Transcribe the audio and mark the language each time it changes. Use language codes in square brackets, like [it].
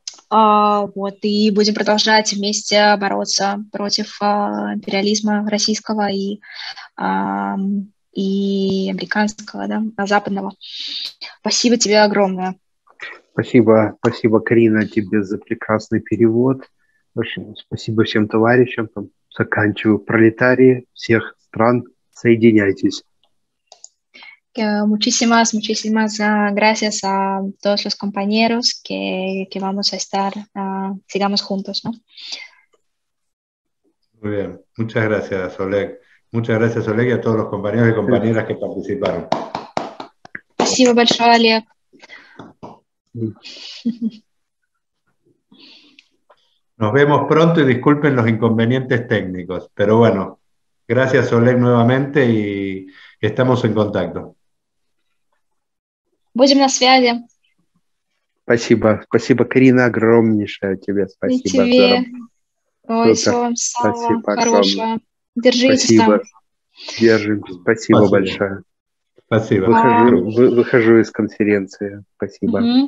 [ru] Вот, и будем продолжать вместе бороться против империализма российского и американского, да, западного. Спасибо тебе огромное. Спасибо, Карина, тебе за прекрасный перевод. Спасибо всем товарищам. Заканчиваю. Пролетарии всех стран, соединяйтесь. [es] Muchísimas gracias a todos los compañeros que vamos a estar, sigamos juntos, ¿no? Muy bien. Muchas gracias, Oleg. Muchas gracias, Oleg, y a todos los compañeros y compañeras que participaron. [ru] Спасибо большое, Олег. [es] Nos vemos pronto y disculpen los inconvenientes técnicos. Pero bueno, gracias, Oleg, nuevamente y estamos en contacto. [ru] Будем на связи. Спасибо, Карина, огромнейшее тебе спасибо. И тебе. Ой, всего вам самого хорошего. Держитесь там. Держим. Спасибо большое. Спасибо. Выхожу из конференции. Спасибо.